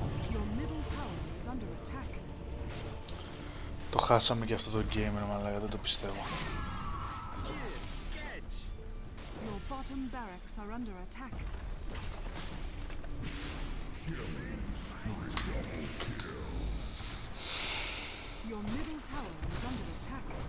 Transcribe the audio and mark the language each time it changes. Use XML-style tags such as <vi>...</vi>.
<en>Your middle tower is under attack.</en> <el>Το χάσαμε και αυτό το game, ρε μαλάκα, δεν το πιστεύω.</el> <en>Your bottom barracks are under attack. Your middle tower is under attack.</en>